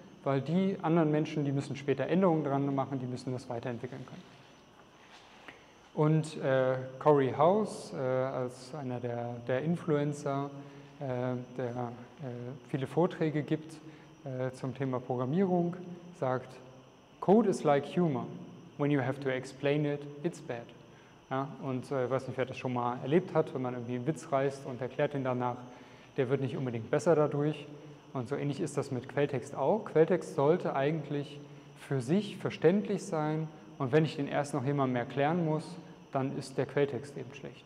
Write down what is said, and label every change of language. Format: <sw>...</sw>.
<de>weil die anderen Menschen, die müssen später Änderungen dran machen, die müssen das weiterentwickeln können. Und Corey House, als einer der Influencer, der viele Vorträge gibt zum Thema Programmierung, sagt,</de> <en>Code is like humor. When you have to explain it, it's bad.</en> <de>Ja, und ich weiß nicht, wer das schon mal erlebt hat, wenn man irgendwie einen Witz reißt und erklärt ihn danach, der wird nicht unbedingt besser dadurch. Und so ähnlich ist das mit Quelltext auch. Quelltext sollte eigentlich für sich verständlich sein. Und wenn ich den erst noch jemandem erklären muss, dann ist der Quelltext eben schlecht.</de>